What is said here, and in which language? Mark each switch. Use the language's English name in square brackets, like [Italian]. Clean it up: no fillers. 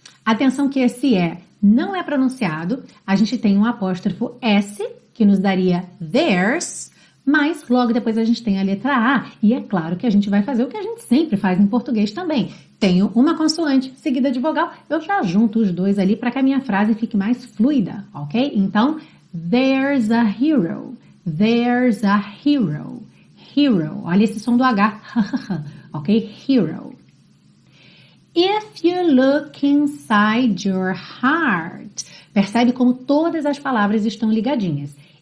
[Portuguese] Atenção que esse é não é pronunciado. A gente tem um apóstrofo S, que nos daria theirs. Mas logo depois a gente tem a letra A, e é claro que a gente vai fazer o que a gente sempre faz em português também. Tenho uma consoante seguida de vogal, eu já junto os dois ali para que a minha frase fique mais fluida, ok? [English] Então, there's a hero, there's a hero, hero. [Portuguese] Olha esse som do H, ok? Hero. [English] If you look inside your heart, [Portuguese] percebe como todas as palavras estão ligadinhas.